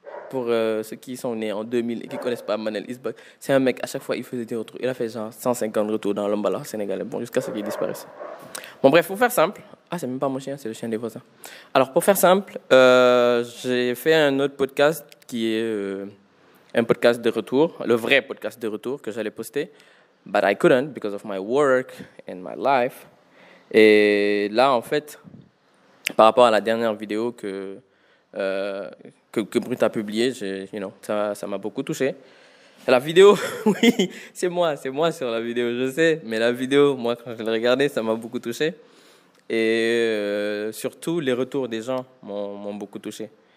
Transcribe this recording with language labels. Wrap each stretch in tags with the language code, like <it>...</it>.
<fr>Pour ceux qui sont nés en 2000 et qui ne connaissent pas Manel Isbak, c'est un mec, à chaque fois, il faisait des retours. Il a fait genre 150 retours dans l'Ombala sénégalais, bon, jusqu'à ce qu'il disparaisse. Bon, bref, pour faire simple. Ah, c'est même pas mon chien, c'est le chien des voisins. Alors, pour faire simple, j'ai fait un autre podcast qui est un podcast de retour, le vrai podcast de retour que j'allais poster.</fr> <en>But I couldn't because of my work and my life.</en> <fr>Et là, en fait, par rapport à la dernière vidéo que Brut a publiée, ça m'a beaucoup touché. La vidéo, oui, c'est moi sur la vidéo, je sais. Mais la vidéo, moi, quand je l'ai regardée, ça m'a beaucoup touché. Et surtout, les retours des gens m'ont beaucoup touché.</fr>